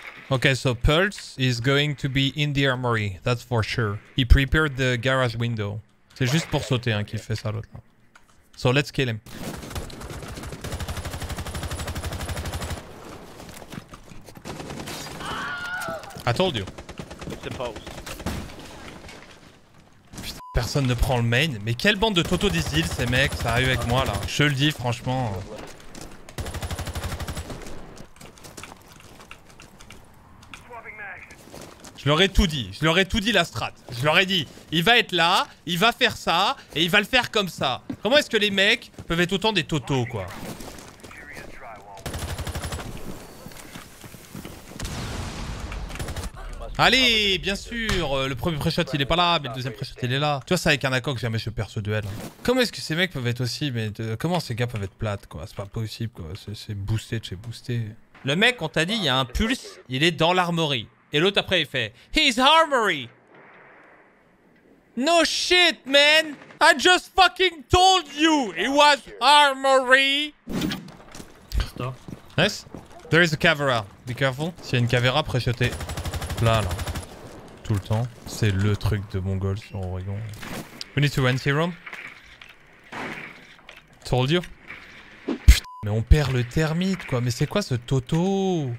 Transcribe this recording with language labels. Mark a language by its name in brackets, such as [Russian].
[English] Okay, so Pulse is going to be in the armory, that's for sure. He prepared the garage window. [French] C'est juste pour sauter hein, qu'il fait ça l'autre. [English] So let's kill him. I told you. It's a Pulse. [French] Putain, personne ne prend le main. Mais quelle bande de Toto Dizil ces mecs, ça a eu avec moi là. Je le dis franchement. Je leur ai tout dit, je leur ai tout dit la strat. Je leur ai dit, il va être là, il va faire ça, et il va le faire comme ça. Comment est-ce que les mecs peuvent être autant des totos, quoi? Allez, bien sûr, le premier pré-shot il est pas là, mais le deuxième pré-shot il est là. Tu vois, ça avec un accord que jamais je perds ce duel. Comment est-ce que ces mecs peuvent être aussi, mais comment ces gars peuvent être plates, quoi? C'est pas possible, quoi, c'est boosté de chez boosté. Le mec, on t'a dit, il y a un pulse, il est dans l'armorerie. Et l'autre après il fait [English] he's armory. No shit man, I just fucking told you it was armory. Stop. Nice. There is a cavera. Be careful. [French] S'il y a une cavera préchotée. Là là. Tout le temps. C'est le truc de Mongol sur Oregon. [English] We need to anti roam. Told you. [French] Mais on perd le thermite quoi, mais c'est quoi ce Toto?